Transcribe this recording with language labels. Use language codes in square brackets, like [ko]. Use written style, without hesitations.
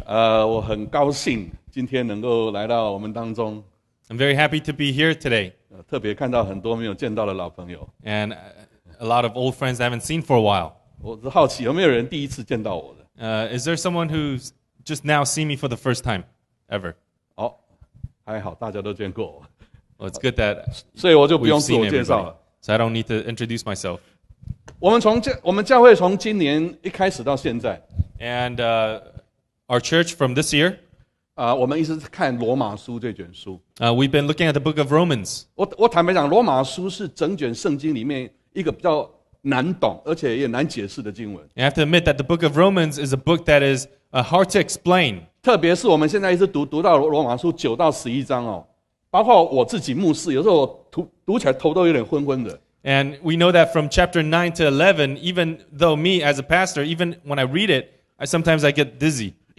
[zh] 我很高兴今天能够来到我们当中. [en] I'm very happy to be here today. [zh] 特别看到很多没有见到的老朋友. [en] And a lot of old friends I haven't seen for a while. [zh] 我只好奇有没有人第一次见到我的. [en] Is there someone who's just now seen me for the first time ever? [zh] 还好大家都见过我. [en] Well, it's good that we've seen everybody. So I don't need to introduce myself. [zh] 我们教会从今年一开始到现在. [en] And our church from this year. [zh] 我们一直看罗马书这卷书. [en] We've been looking at the book of Romans. [zh] 我坦白讲，罗马书是整卷圣经里面一个比较难懂，而且也难解释的经文. [en] You have to admit that the book of Romans is a book that is hard to explain. [zh] 特别是我们现在一直读到罗马书九到十一章哦。包括我自己牧师，有时候读起来头都有点昏昏的。 [en] And we know that from chapter 9 to 11, even though me as a pastor, even when I read it, sometimes I get dizzy.